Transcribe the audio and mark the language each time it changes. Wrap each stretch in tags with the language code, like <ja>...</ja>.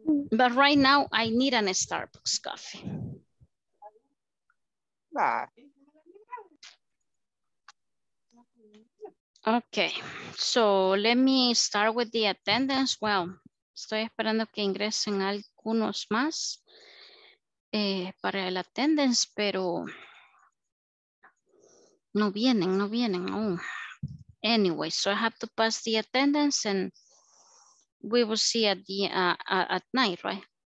<en>But right now, I need a Starbucks coffee. Okay, so let me start with the attendance.</en> <es>Well, estoy esperando que ingresen algunos más para el attendance, pero no vienen aún.</es> <en>Anyway, so I have to pass the attendance and we will see at night, right?</en>